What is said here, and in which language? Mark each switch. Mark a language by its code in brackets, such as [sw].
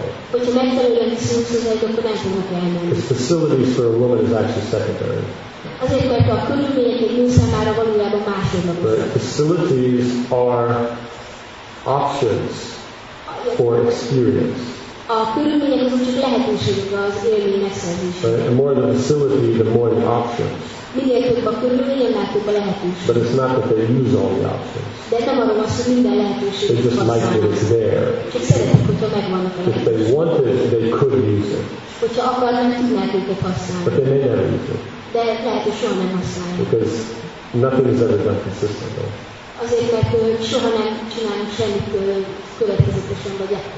[hu] Hogyha megfelelően viszont szózáig, akkor nem fognak elmenni. [en] The facilities for a woman is actually secondary. [hu] Azért, mert a körülmények egy nő számára valójában másodlagos. [en] The facilities are options for experience. [hu] A körülmények azok csak lehetőségek az élmény megszerzésére. [en] The more the facility, the more the options. [hu] Minél több a körülmény, annál több a lehetőség. [en] But it's not that they use all the options. [hu] De nem arról van szó, minden lehetőség. [en] They just like that it's there. [hu] Csak szeretik, hogyha megvannak a lehetőség. [en] If they wanted, they could use it. [hu] Hogyha akarnak, tudnák őket használni. [en] But they may never use it. [hu] De lehet, hogy soha nem használják. [en] Because nothing is ever done consistently. [hu] Azért, mert soha nem csinálunk semmit következetesen, vagy